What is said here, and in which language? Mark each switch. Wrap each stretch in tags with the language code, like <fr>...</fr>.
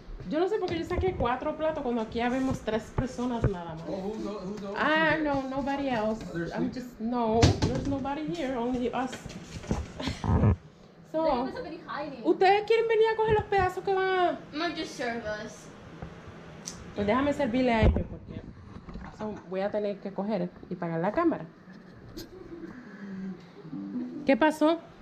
<es>Yo no sé por qué yo saqué cuatro platos cuando aquí ya vemos tres personas nada más.</es> <en>Oh, who's ah, here? No, nobody else. I'm just, no, there's nobody here, only us.</en> <es>So, ¿ustedes quieren venir a coger los pedazos que van a...?</es> <en>No, just serve us.</en> <es>Pues déjame servirle a ellos porque so, voy a tener que coger y pagar la cámara. ¿Qué pasó?</es>